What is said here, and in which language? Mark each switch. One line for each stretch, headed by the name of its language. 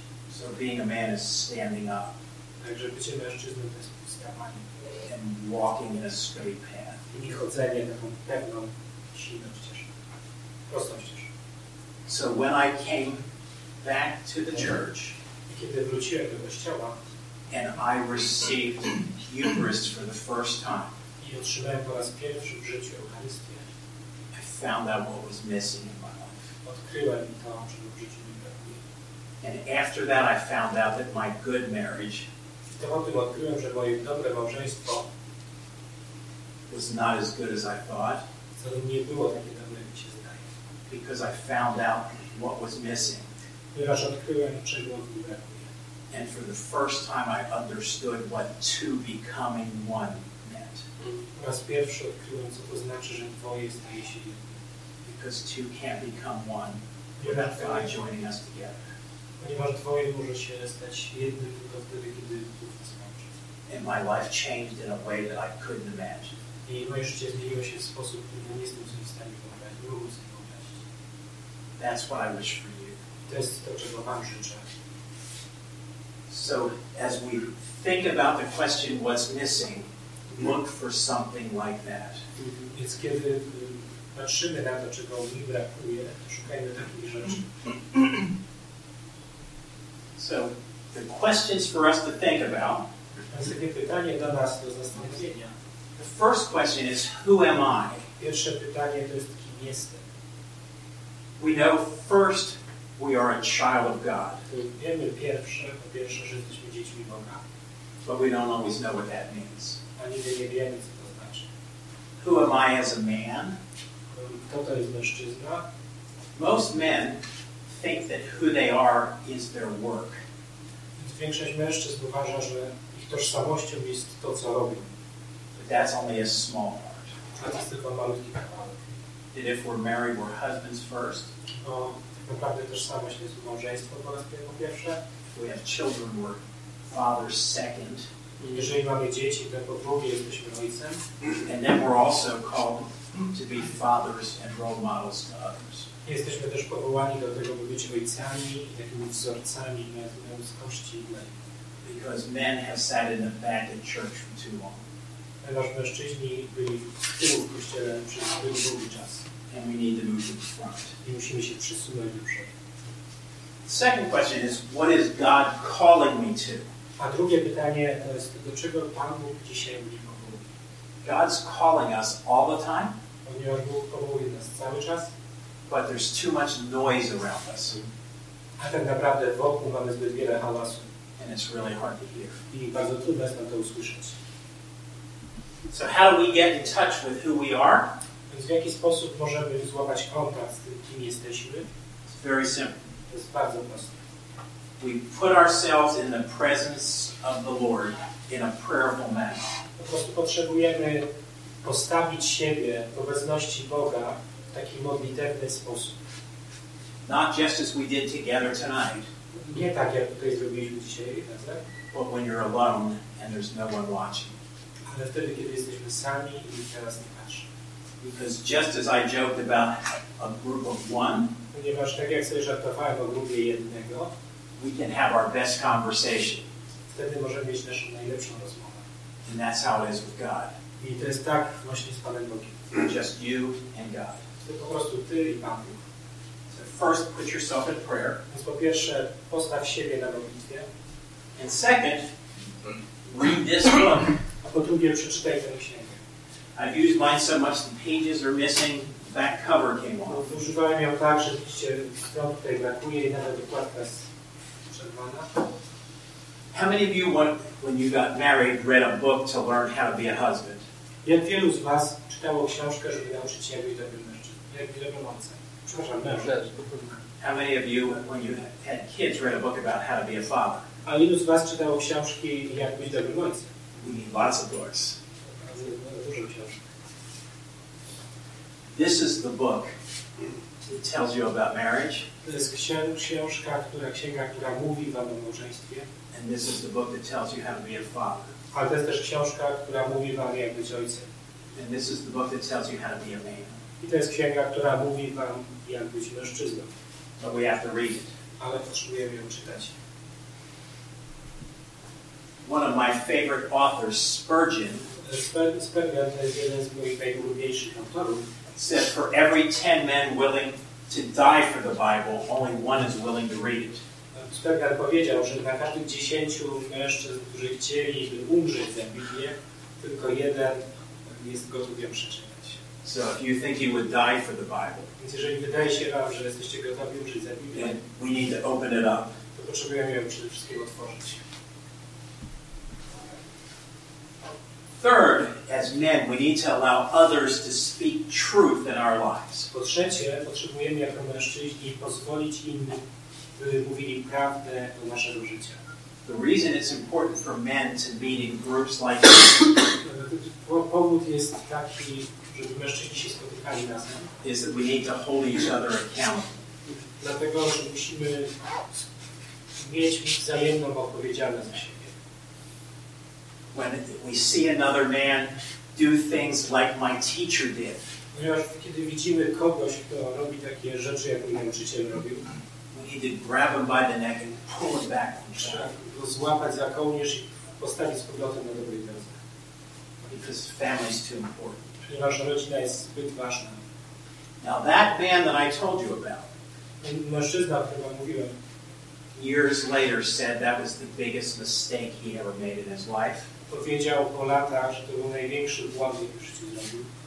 English: So being a man is standing up.
Polish: Także bycie mężczyzną to jest wstawanie.
English: And walking in a straight path.
Polish: I chodzenie taką pewną, silną ścieżką. Prostą ścieżką.
English: So when I came back to the church,
Polish: kiedy wróciłem do kościoła,
English: and I received Eucharist for the first time,
Polish: i otrzymałem po raz pierwszy w życiu Eucharystię,
English: I found out what was missing in my life.
Polish: Odkryłem to, czego w życiu mi brakuje.
English: And after that I found out that my good marriage
Polish: odkryłem, że moje dobre małżeństwo
English: was not as good as I thought.
Polish: Nie było takie dobre, jak mi się zdaje.
English: Because I found out what was missing.
Polish: Ponieważ odkryłem, czego mi brakuje.
English: And for the first time I understood what two becoming one meant.
Polish: Po raz pierwszy odkryłem, co to znaczy, że dwoje staje się jednym.
English: Because two can't become one without God joining us together.
Polish: Ponieważ dwoje może się stać jednym tylko wtedy, kiedy Bóg nas łączy.
English: And my life changed in a way that I couldn't imagine.
Polish: I moje życie zmieniło się w sposób, który nie jestem w stanie pomagać, nie mogę sobie pomagać.
English: That's what I wish for you.
Polish: To jest to, czego Wam życzę.
English: So, as we think about the question, what's missing, look for something like that.
Polish: Więc kiedy patrzymy na to, czego mi brakuje, szukajmy takich rzeczy.
English: So, the questions for us to think about.
Polish: Takie pytanie do nas do zastanowienia.
English: The first question is, who am I?
Polish: Pierwsze pytanie to jest, kim jestem?
English: We know first we are a child of God.
Polish: Wiemy po pierwsze, że jesteśmy dziećmi Boga.
English: But we don't always know what that means.
Polish: A nigdy nie wiemy, co to znaczy.
English: Who am I as a man?
Polish: Kto to jest mężczyzna?
English: Most men think that who they are is their work.
Polish: Większość mężczyzn uważa, że ich tożsamością jest to, co robią.
English: But that's only a small part.
Polish: To jest tylko malutki kawałek.
English: That if we're married, we're husbands first.
Polish: No, tak naprawdę tożsamość jest małżeństwo po raz pierwszy.
English: We have children, we're fathers second.
Polish: I jeżeli mamy dzieci, to po drugie jesteśmy ojcem.
English: And then we're also called to be fathers and role models to others.
Polish: Jesteśmy też powołani do tego, by być ojcami, takimi wzorcami na ludzkości.
English: Because men have sat in the back of church for too long.
Polish: Ponieważ mężczyźni byli w tyłu w kościele przez zbyt długi czas.
English: And we need to move to the front.
Polish: I musimy się przesunąć do przodu.
English: Second question is, what is God calling me to?
Polish: A drugie pytanie to jest, do czego Pan Bóg dzisiaj mnie powołuje?
English: God's calling us all the time.
Polish: Ponieważ Bóg powołuje nas cały czas.
English: But there's too much noise around us.
Polish: A tak naprawdę wokół mamy zbyt wiele hałasu.
English: And it's really hard to hear.
Polish: I bardzo trudno jest nam to usłyszeć.
English: So how do we get in touch with who we are?
Polish: Więc w jaki sposób możemy złapać kontakt z tym, kim jesteśmy?
English: It's Very simple.
Polish: Jest bardzo proste.
English: We put ourselves in the presence of the Lord in a prayerful manner.
Polish: Po prostu potrzebujemy postawić siebie w obecności Boga w taki modlitewny sposób.
English: Not just as we did together tonight.
Polish: Nie tak, jak tutaj zrobiliśmy dzisiaj, tak?
English: But when you're alone and there's no one watching.
Polish: Ale wtedy, kiedy jesteśmy sami i teraz nie patrzy.
English: Because just as I joked about a group of one,
Polish: ponieważ tak jak sobie żartowałem o grupie jednego,
English: we can have our best conversation.
Polish: Wtedy możemy mieć naszą najlepszą rozmowę.
English: And that's how it is with God.
Polish: I to jest tak właśnie z Panem Bogiem.
English: Just you and God.
Polish: To po prostu ty i Pan Bóg.
English: So first, put yourself in prayer.
Polish: Więc po pierwsze, postaw siebie na modlitwie.
English: And second, read this book.
Polish: A po drugie, przeczytaj tę księgę.
English: I've used mine so much the pages are missing, the back cover came off.
Polish: No, używałem ją tak, że widzicie, stron tutaj brakuje i nawet okładka jest przerwana.
English: How many of you, when you got married, read a book to learn how to be a husband?
Polish: Jak wielu z was czytało książkę, żeby nauczyć się, jak być dobrym mężczyzną? Jak być dobrym ojcem? Przepraszam, mężczyzną.
English: How many of you, when you had kids, read a book about how to be a father?
Polish: A ilu z was czytało książki, jak być dobrym ojcem?
English: We need lots of books.
Polish: Dużo książek.
English: This is the book that tells you about marriage.
Polish: To jest książka, księga, która mówi wam o małżeństwie.
English: And this is the book that tells you how to be a father.
Polish: A to jest też książka, która mówi wam, jak być ojcem.
English: And this is the book that tells you how to be a man.
Polish: I to jest księga, która mówi wam, jak być mężczyzną.
English: But we have to read it.
Polish: Ale potrzebujemy ją czytać.
English: One of my favorite authors, Spurgeon,
Polish: Spurgeon to jest jeden z moich najulubieńszych autorów,
English: said for every 10 men willing to die for the Bible, only one is willing to read it.
Polish: Spurgeon powiedział, że na każdych 10 mężczyzn, którzy chcieliby umrzeć za Biblię, tylko jeden jest gotów ją przeczytać.
English: So if you think you would die for the Bible,
Polish: więc jeżeli wydaje się wam, że jesteście gotowi umrzeć za Biblię,
English: we need to open it up.
Polish: To potrzebujemy ją przede wszystkim otworzyć.
English: Third, as men, we need to allow others to speak truth in our lives.
Polish: Po trzecie, potrzebujemy jako mężczyźni pozwolić innym, by mówili prawdę do naszego życia.
English: The reason it's important for men to meet in groups like
Polish: powód jest taki, żeby mężczyźni się spotykali razem.
English: Is that we need to hold each other accountable.
Polish: Dlatego, że musimy mieć wzajemną odpowiedzialność za siebie.
English: When we see another man do things like my teacher did.
Polish: Ponieważ kiedy widzimy kogoś, kto robi takie rzeczy, jak mój nauczyciel robił,
English: he did grab him by the neck and pull him back from
Polish: trzeba złapać za kołnierz i postawić z powrotem na dobrej drodze.
English: Because family is too important.
Polish: Ponieważ rodzina jest zbyt ważna.
English: Now that man that I told you about,
Polish: mężczyzna, o którym wam mówiłem,
English: years later said that was the biggest mistake he ever made in his life.
Polish: Powiedział po latach, że to był największy błąd, jaki w życiu zrobił.